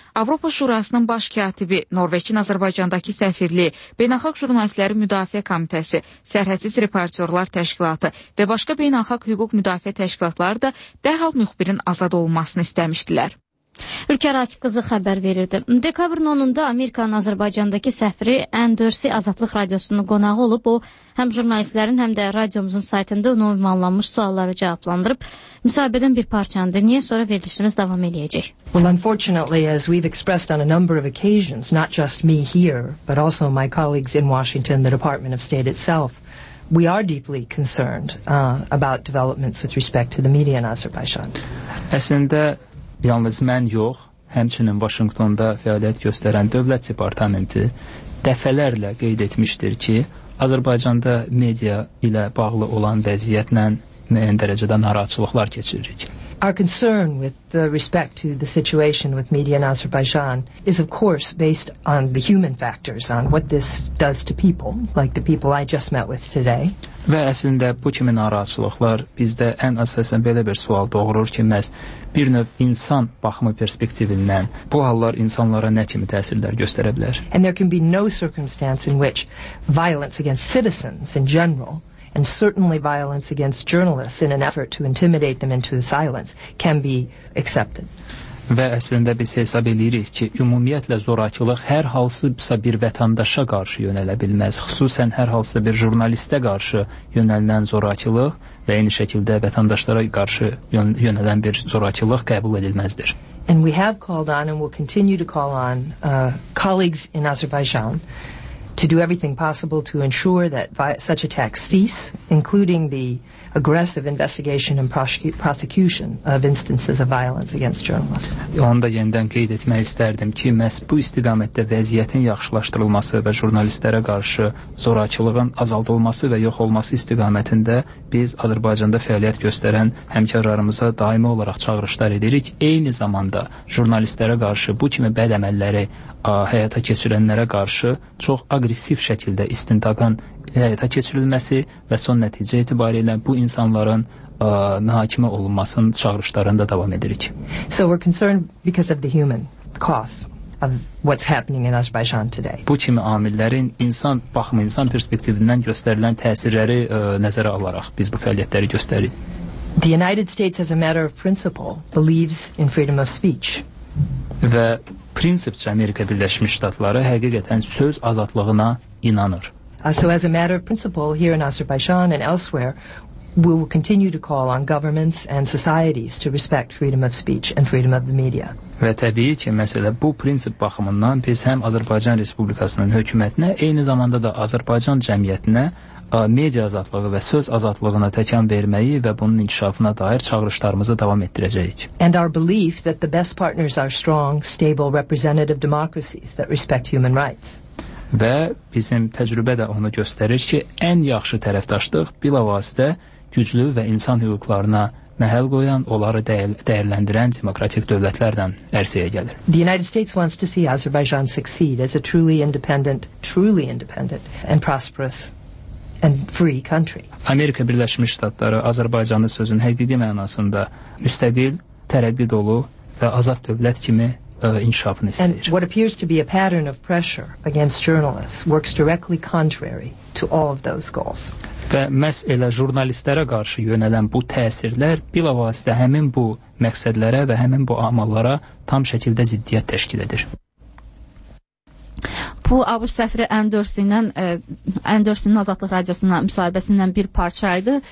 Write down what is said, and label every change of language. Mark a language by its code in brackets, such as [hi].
[az] Avropa Şurasının baş katibi, Norveçin Azərbaycandakı səfirliyi, Beynəlxalq Jurnalistləri Müdafiə Komitəsi, Sərhədsiz Reportyorlar Təşkilatı və başqa beynəlxalq hüquq müdafiə təşkilatları da dərhal müxbirin azad olunmasını istəmişdilər. Ülker Akif qızı xəbər verirdi. Dekabrın 10-unda Amerikanın Azərbaycandakı səfiri N4C Azadlıq Radiosunun qonağı olub, o həm jurnalistlərin, həm də radiomuzun saytında ünvanlanmış sualları cavablandırıb, müsahibədən bir parçanı dinləyə sonra verilişimiz davam edəcək. [en] Well, unfortunately, as we've expressed on a number of occasions, not just me here, but also my colleagues in Washington, the Department of State itself, we are deeply concerned about developments with respect to the media in Azerbaijan. [az] Əslində, yalnız mən yox, həmçinin Vaşinqtonda fəaliyyət göstərən dövlət departamenti dəfələrlə qeyd etmişdir ki, Azərbaycanda media ilə bağlı olan vəziyyətlə müəyyən dərəcədə narahatçılıqlar keçiririk. [en] Our concern with the respect to the situation with media in Azerbaijan is of course based on the human factors, on what this does to people, like the people I just met with today. [az] Və əslində bu kimi narahatçılıqlar bizdə ən əsasən belə bir sual doğurur ki, məhz bir növ insan baxımı perspektivindən bu hallar insanlara nə kimi təsirlər göstərə bilər? [en] And there can be no circumstance in which violence against citizens in general and certainly violence against journalists in an effort to intimidate them into silence can be accepted. [az] Və əslində biz hesab edirik ki, ümumiyyətlə zorakılıq hər hansısa bir vətəndaşa qarşı yönələ bilməz. Xüsusən hər hansısa bir jurnalistə qarşı yönəlinən zorakılıq və eyni şəkildə vətəndaşlara qarşı yönələn bir zorakılıq qəbul edilməzdir. [en] And we have called on and will continue to call on colleagues in Azerbaijan to do everything possible to ensure that such attacks cease, including the aggressive investigation and prosecution of instances of violence against journalists. [az] Onu da yenidən qeyd etmək istərdim ki, məhz bu istiqamətdə vəziyyətin yaxşılaşdırılması və jurnalistlərə qarşı zorakılığın azaldılması və yox olması istiqamətində biz Azərbaycanda fəaliyyət göstərən həmkarlarımıza daimi olaraq çağırışlar edirik. Eyni zamanda jurnalistlərə qarşı bu kimi bəd əməlləri həyata keçirənlərə qarşı çox aqressiv şəkildə istintaqın həyata keçirilməsi və son nəticə itibarilə bu insanların mühakimə olunmasının çağırışlarını da davam edirik. [en] So we're concerned because of the human cost of what's happening in Azerbaijan today. [az] Bu kimi amillərin insan baxımı, insan perspektivindən göstərilən təsirləri nəzərə alaraq biz bu fəaliyyətləri göstəririk. [en] The United States as a matter of principle believes in freedom of speech. [az] Və prinsipcə Amerika Birləşmiş Ştatları həqiqətən söz azadlığına inanır. [en] So as a matter of principle here in Azerbaijan and elsewhere, we will continue to call on governments and societies to respect freedom of speech and freedom of the media. [az] Və təbii ki, məsələ bu prinsip baxımından biz həm Azərbaycan Respublikasının hökumətinə, eyni zamanda da Azərbaycan cəmiyyətinə media azadlığı və söz azadlığına təkan verməyi və bunun inkişafına dair çağırışlarımızı davam etdirəcəyik. [en] And our belief that the best partners are strong, stable, representative democracies that respect human rights. [az] Və bizim təcrübə də onu göstərir ki, ən yaxşı tərəfdaşlıq bilavasitə güclü və insan hüquqlarına məhəl qoyan, onları dəyərləndirən demokratik dövlətlərdən ərsəyə gəlir. [en] The United States wants to see Azerbaijan succeed as a truly independent and prosperous and free country. [az] Amerika Birləşmiş Ştatları Azərbaycanı sözün həqiqi mənasında müstəqil, tərəqqi dolu və azad dövlət kimi inkişafını istəyir. [en] And what appears to be a pattern of pressure against journalists works directly contrary to all of those goals. [az] Və məhz elə jurnalistlərə qarşı yönələn bu təsirlər bilavasitə həmin bu məqsədlərə və həmin bu amallara tam şəkildə ziddiyyət təşkil edir. Bu ABŞ səfiri Andersonun Azadlıq Radiosundan müsahibəsindən bir parçaydı.